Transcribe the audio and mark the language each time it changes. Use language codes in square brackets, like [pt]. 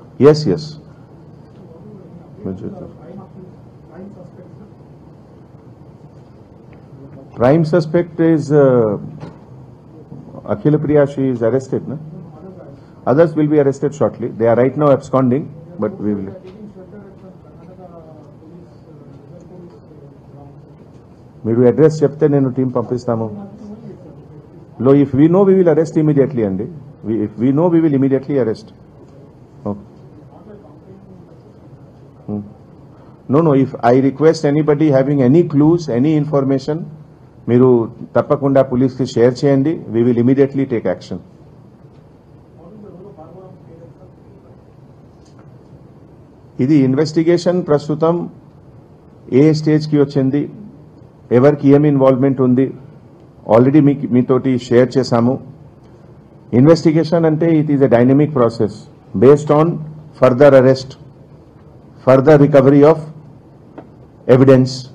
[en] Yes yes prime suspect is Akhila Priya, she is arrested నా. Others will be arrested shortly. They are right now absconding, but we will. [te] Meeru address chepte nenu team pampistamu. [en] Lo, if we know, we will arrest immediately andi. If we know we will immediately arrest. No, if I request anybody having any clues, any information, [te] meeru tappakunda police ki share cheyandi. [en] We will immediately take action. [te] ఇది investigation ప్రస్తుతం ఏ స్టేజ్కి వచ్చింది, ఎవరికి ఏం involvement ఉంది, already మీతోటి share చేశాము. [en] Investigation అంటే it is a dynamic process based on further arrest, further recovery of evidence.